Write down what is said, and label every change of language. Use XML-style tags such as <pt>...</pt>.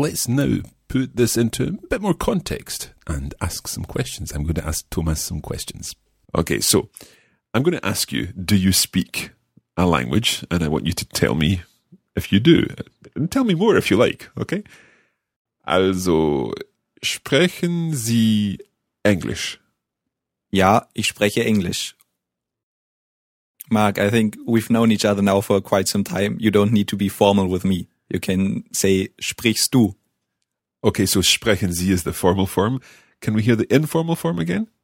<en>Let's now put this into a bit more context and ask some questions. I'm going to ask Thomas some questions. Okay, so I'm going to ask you, do you speak a language? And I want you to tell me if you do. And tell me more if you like, okay?</en> <de>Also, sprechen Sie Englisch? Ja, ich spreche Englisch.</de> <en>Mark, I think we've known each other now for quite some time. You don't need to be formal with me. You can say,</en> <de>sprichst du?</de> <en>Okay, so</en> <de>sprechen Sie</de> <en>is the formal form. Can we hear the informal form again?</en>